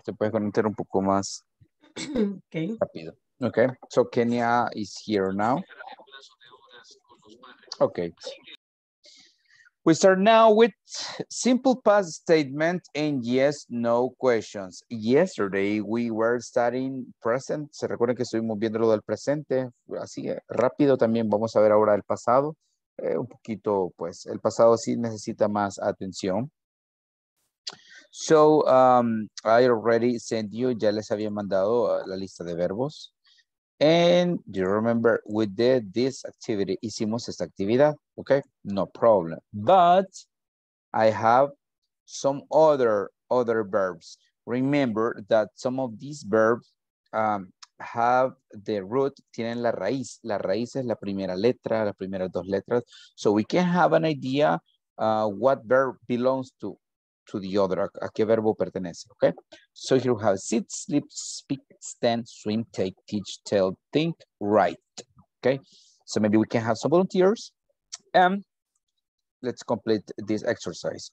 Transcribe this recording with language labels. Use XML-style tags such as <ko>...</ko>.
<es>Te puedes conectar un poco más rápido.</es> <en>Okay, so Kenya is here now. Okay. We start now with simple past statement and yes, no questions. Yesterday we were studying present.</en> <es>Se recuerden que estuvimos viendo lo del presente. Así rápido también vamos a ver ahora el pasado. Un poquito, pues, el pasado sí necesita más atención. So,</es> <en>I already sent you,</en> <es>ya les había mandado la lista de verbos.</es> <en>And do you remember we did this activity?</en> <es>Hicimos esta actividad,</es> <en>okay? No problem. But I have some other verbs. Remember that some of these verbs have the root,</en> <es>tienen la raíz. La raíz es la primera letra, las primeras 2 letras.</es> <en>So we can have an idea what verb belongs to the other,</en> <es>a qué verbo pertenece,</es> <en>okay? So here we have sit, sleep, speak, stand, swim, take, teach, tell, think, write, okay? So maybe we can have some volunteers and let's complete this exercise.</en>